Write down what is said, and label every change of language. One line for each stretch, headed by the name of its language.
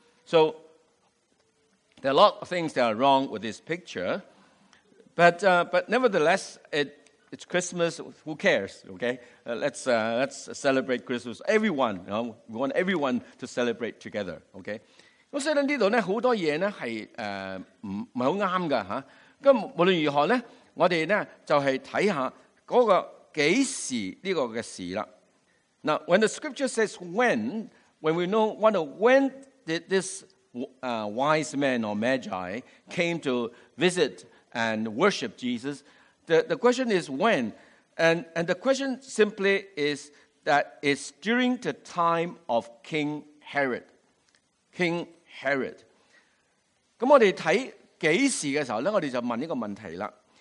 English: So, there are a lot of things that are wrong with this picture, but nevertheless, it's Christmas, who cares, okay? Let's celebrate Christmas, everyone, you know, we want everyone to celebrate together, okay?
Cantonese: 所以呢度呢好多嘢呢係唔好啱㗎吓。咁无论如何呢我哋呢就係睇下嗰个几时呢个嘅事啦。
English: Now, when the scripture says when we know what a when,Did this wise man or magi came to visit and worship Jesus? The question is when? And the question simply is that it's during the time of King Herod. King Herod.
Cantonese: 咁我哋睇几时嘅时候咧，我哋就问呢个问题啦。